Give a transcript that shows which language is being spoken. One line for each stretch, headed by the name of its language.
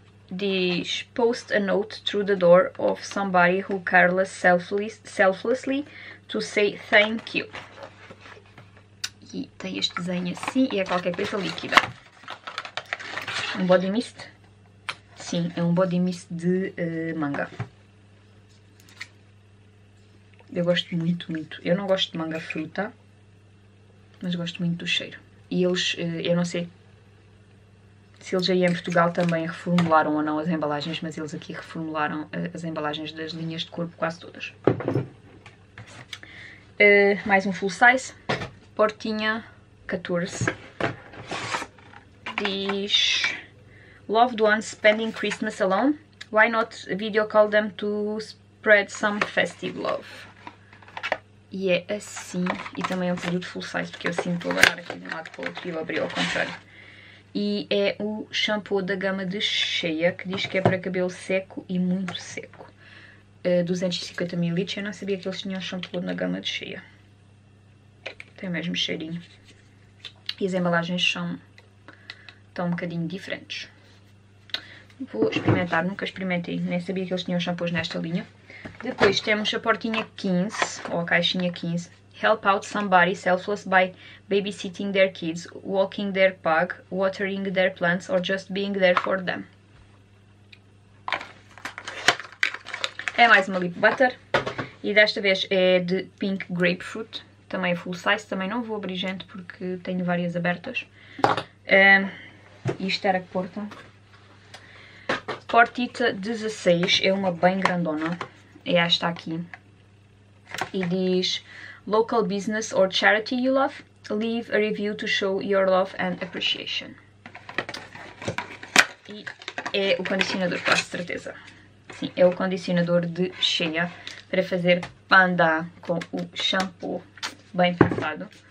Portuguese: Diz,
English: post a note through the door of somebody who careless selflessly to say thank you.
Portuguese: E tem este desenho assim e é qualquer coisa líquida. Um body mist? Sim, é um body mist de manga. Eu gosto muito, muito. Eu não gosto de manga fruta, mas gosto muito do cheiro. E eles, eu não sei se eles aí em Portugal também reformularam ou não as embalagens, mas eles aqui reformularam as embalagens das linhas de corpo quase todas. Mais um full size. Portinha 14. Diz:
English: Loved ones spending Christmas alone? Why not video call them to spread some festive love?
Portuguese: E é assim. E também é um produto full size, porque eu sinto a levar aqui de um lado para o outro e eu abri ao contrário. E é o shampoo da gama de Shea, que diz que é para cabelo seco e muito seco. 250 ml, eu não sabia que eles tinham shampoo na gama de Shea. Tem o mesmo cheirinho. E as embalagens são tão um bocadinho diferentes. Vou experimentar, nunca experimentei, nem sabia que eles tinham shampoos nesta linha. Depois temos a portinha 15, ou a caixinha 15.
English: Help out somebody selfless by babysitting their kids, walking their pug, watering their plants or just being there for them.
Portuguese: É mais uma lip butter e desta vez é de pink grapefruit, também é full size, também não vou abrir gente porque tenho várias abertas. Isto era que portam. Portita 16, é uma bem grandona, é esta aqui e diz:
English: Local business or charity you love? Leave a review to show your love and appreciation.
Portuguese: E é o condicionador, quase certeza. Sim, é o condicionador de Shea para fazer panda com o shampoo bem pensado.